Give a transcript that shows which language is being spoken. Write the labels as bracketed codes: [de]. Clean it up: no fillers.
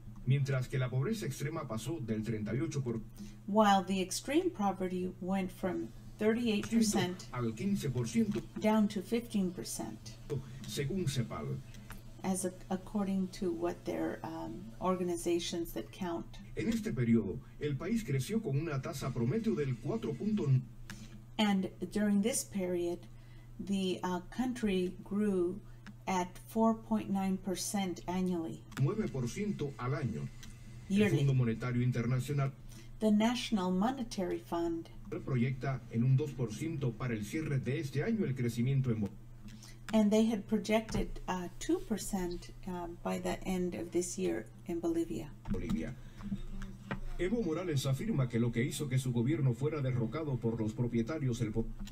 [es] Mientras que la pobreza extrema pasó del 38%. [en] While the extreme poverty went from 38% [es] al 15% [en] down to 15%, [es] según CEPAL, [en] as according to what their organizations that count. [es] En este periodo, el país creció con una tasa promedio del 4.9. [en] And during this period, the country grew at 4.9% annually. [es] 9% al año. Yearly. El Fondo Monetario Internacional. [en] The National Monetary Fund. [es] Proyecta en un 2% para el cierre de este año el crecimiento en Bolivia. [en] And they had projected 2% by the end of this year in Bolivia. [es] Bolivia. Evo Morales afirma que lo que hizo que su gobierno fuera derrocado por los propietarios del poder.